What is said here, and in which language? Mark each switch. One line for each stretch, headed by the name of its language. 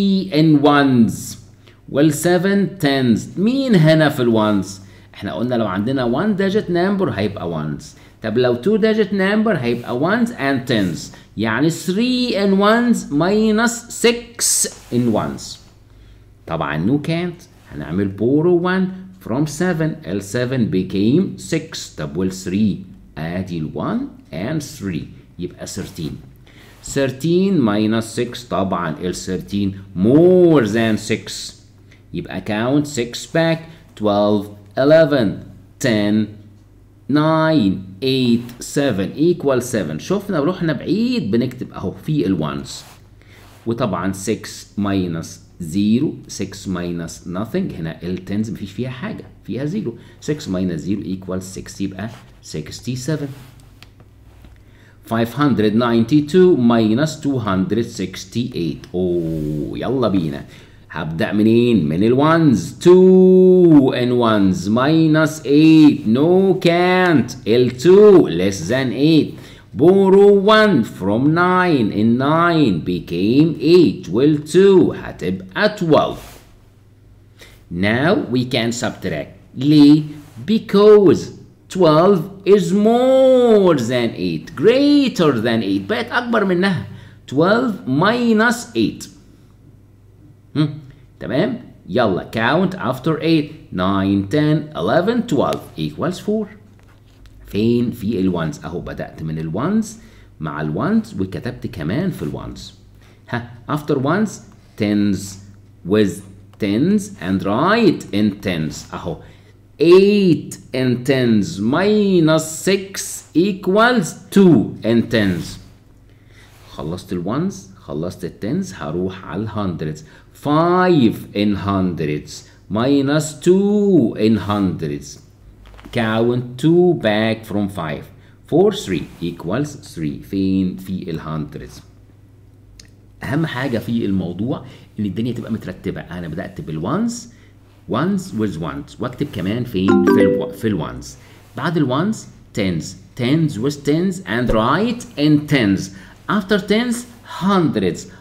Arabic: in ones وال 7 tens مين هنا في الوانز احنا قلنا لو عندنا 1 digit number هيبقى ones طب لو 2 digit number هيبقى ones and tens يعني
English: 3 in ones minus 6 in ones
Arabic: طبعا نو كانت هنعمل بورو 1 From 7, L7 became 6, double 3, add 1 and 3, يبقى 13.
English: 13 minus 6, طبعا L13 more than 6, يبقى count 6 back, 12, 11, 10, 9, 8, 7, equal 7.
Arabic: شوفنا روحنا بعيد بنكتب اهو في ال ones. وطبعا 6 minus 0 6 minus nothing هنا ال 10 مفيش فيها حاجه فيها 0
English: 6 minus 0 equals 6
Arabic: يبقى 67
English: 592 minus 268
Arabic: اوه يلا بينا هبدا منين من الوانز
English: 2 and ones minus 8 no can't ال 2 less than 8 Borrow 1 from 9 and 9 became 8. Well, 2 هتبقى 12. Now we can subtract. لي because 12 is more than 8. Greater than 8.
Arabic: بقت أكبر منها.
English: 12 minus 8.
Arabic: تمام؟ يلا
English: count after 8. 9, 10, 11, 12 equals 4.
Arabic: فين في الوانز اهو بدات من الوانز مع الوانز وكتبت كمان في الوانز
English: ها after ones tens with tens and write in tens اهو 8 in tens minus 6 equals 2 in tens
Arabic: خلصت الوانز خلصت التنز هروح على الهندردز
English: 5 in hundreds minus 2 in hundreds Count 2 back from 5. 4, 3 equals 3.
Arabic: فين في ال 100s. أهم حاجة في الموضوع إن الدنيا تبقى مترتبة. أنا بدأت بال 1s.
English: 1s with 1s.
Arabic: وأكتب كمان فين في ال 1s. بعد ال 1s 10s.
English: 10s with 10s and write in 10s. After 10s 100s.